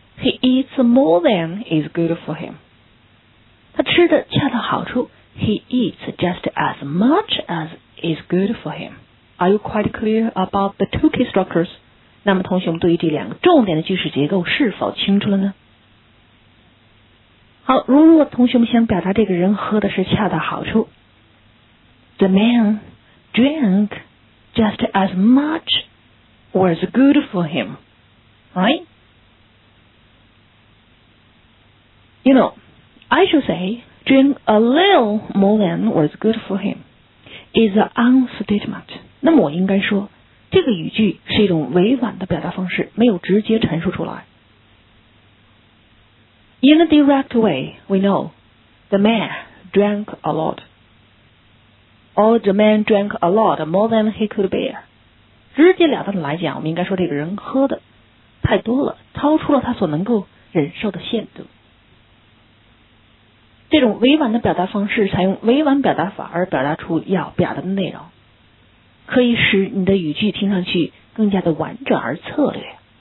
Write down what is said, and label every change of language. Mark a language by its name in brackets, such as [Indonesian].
[English] He eats more than is good for him. [Chinese] 他吃得恰到好处。 [English] He eats just as much as is good for him. Are you quite clear about the two key structures? [Chinese] 那么同学们对于这两个重点的句式结构是否清楚了呢？好，如果同学们想表达这个人喝的是恰到好处 [English] The man drank just as much was good for him, right? You know, I should say drink a little more than was good for him is an understatement. [Chinese] 那么我应该说这个语句是一种委婉的表达方式，没有直接陈述出来。 [English] In a direct way, we know the man drank a lot. Or the man drank a lot more than he could bear. [Chinese] 直截了当的来讲，我们应该说这个人喝的太多了，超出了他所能够忍受的限度。这种委婉的表达方式采用委婉表达法而表达出要表达的内容，可以使你的语句听上去更加的完整而策略。